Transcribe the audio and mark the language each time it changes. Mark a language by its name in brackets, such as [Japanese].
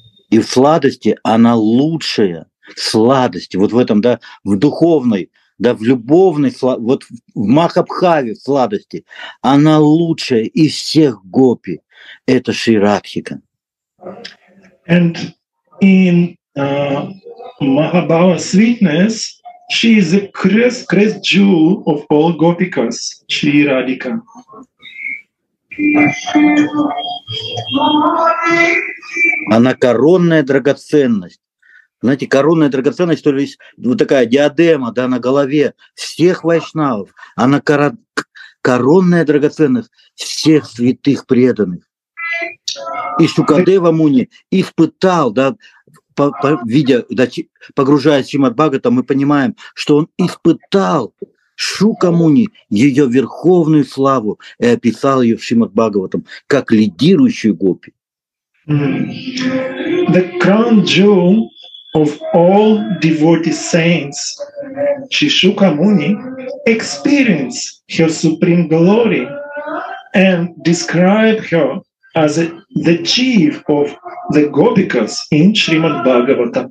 [Russian] И в сладости она лучшая сладость. Вот в этом, да, в духовной, да, в любовной, вот в Махабхаве сладости она лучшая из всех гопи. Это Шри Радхика. [English] And in Mahabhava sweetness, she is the crest jewel of all gopikas, Shri Radhika. [Russian] Она коронная драгоценность. Знаете, коронная драгоценность, то есть вот такая диадема, да, на голове всех вайшнавов. Она коронная драгоценность всех святых преданных. И Шукадева Муни испытал, да, видя, да, погружаясь в Шримад-Бхагаватам, мы понимаем, что он испытал Шука Муни, ее верховную славу, и описал ее в Шримад-Бхагаватам как лидирующую гопи. [English] The crown jewel of all devotee saints, Shri Shuka Muni, experienced her supreme glory and described her as the chief of the gopikas in Shrimad Bhagavatam.